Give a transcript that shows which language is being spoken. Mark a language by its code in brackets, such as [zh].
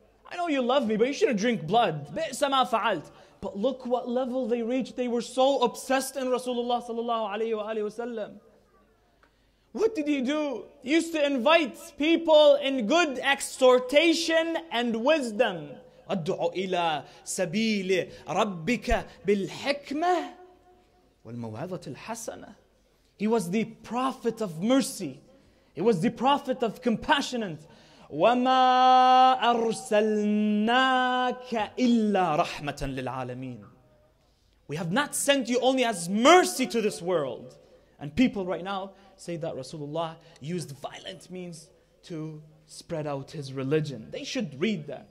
[en] I know you love me, but you shouldn't drink blood. [ar] بئس ما فعلت. [en] But look what level they reached. They were so obsessed in Rasulullah sallallahu alayhi wa alayhi wa sallam. What did he do? He used to invite people in good exhortation and wisdom. [ar] أدعو إلى سبيل ربك بالحكمة والموعظة الحسنة. [en] He was the prophet of mercy. He was the prophet of compassionate. [ar] وَمَا أَرْسَلْنَاكَ إِلَّا رَحْمَةً لِلْعَالَمِينَ. [en] We have not sent you only as mercy to this world. And people right now say that Rasulullah used violent means to spread out his religion. They should read that.